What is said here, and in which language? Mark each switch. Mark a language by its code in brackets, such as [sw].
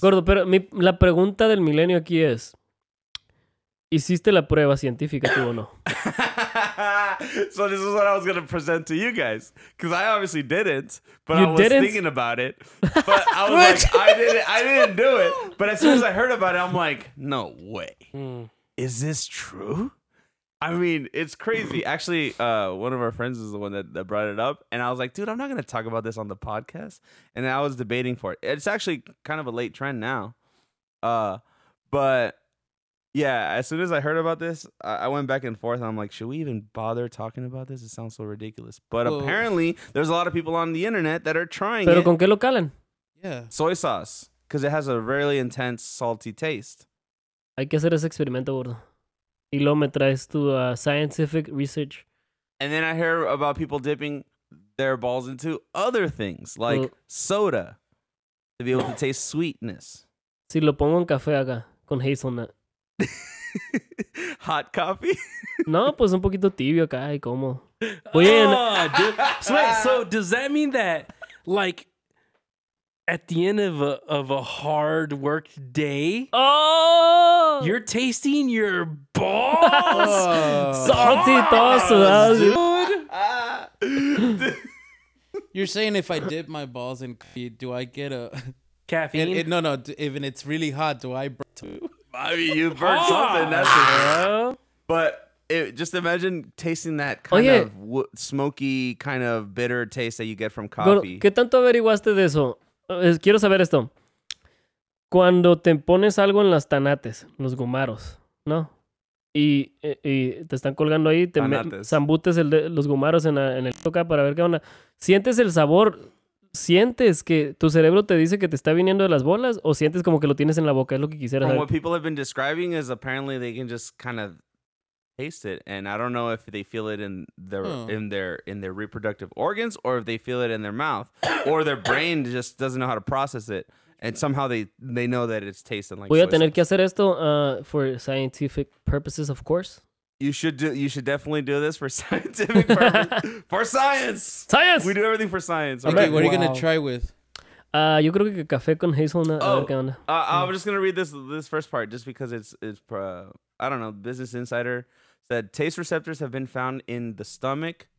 [es] Gordo, pero la pregunta del milenio aquí es, ¿hiciste la prueba científica tú o no? [en] So, this is what I was going to present to you guys. Because I obviously didn't. But you I was didn't? Thinking about it. But I was like, I didn't do it. But as soon as I heard about it, I'm like, no way. Is this true? I mean, it's crazy. Actually, one of our friends is the one that brought it up. And I was like, dude, I'm not going to talk about this on the podcast. And I was debating for it. It's actually kind of a late trend now. But yeah, as soon as I heard about this, I went back and forth. And I'm like, should we even bother talking about this? It sounds so ridiculous. But apparently, there's a lot of people on the internet that are trying [es] Pero [en] it. [es] ¿Pero con qué lo calan? [en] Yeah. Soy sauce. Because it has a really intense, salty taste. [es] Hay que hacer ese experimento, gordo. Y luego me traes tu [en] scientific research. And then I hear about people dipping their balls into other things, like soda, to be able to taste sweetness. [es] Si lo pongo en café acá, con hazelnut. [en] Hot coffee? [es] No, pues un poquito tibio acá, y como. [en] Oye, so does that mean that, like, at the end of a hard work day, you're tasting your balls, salty tossed, dude. You're saying if I dip my balls in coffee, do I get a caffeine? No. Even it's really hot, do I burn? I mean, you burn something. That's it. But just imagine tasting that kind of smoky, kind of bitter taste that you get from coffee. [es] Bueno, ¿qué tanto averiguaste de eso? Quiero saber esto. Cuando te pones algo en las tanates, los gumaros, ¿no? Y te están colgando ahí, te zambutes los gumaros en el toca para ver qué onda. ¿Sientes el sabor? ¿Sientes que tu cerebro te dice que te está viniendo de las bolas? ¿O sientes como que lo tienes en la boca? Es lo que quisiera saber. [en] What people have been describing is apparently they can just kind of taste it. And I don't know if they feel it in their reproductive organs or if they feel it in their mouth or their brain just doesn't know how to process it. And somehow they know that it's tasting like soy sauce. [es] Voy a tener que hacer esto [en] for scientific purposes, of course. You should definitely do this for scientific purposes. For science! Science! We do everything for science. Okay, what are you going to try with? [es] Yo creo que café con hazelnut. Oh, a ver qué onda. [en] I'm just going to read this first part just because it's I don't know, Business Insider said taste receptors have been found in the stomach.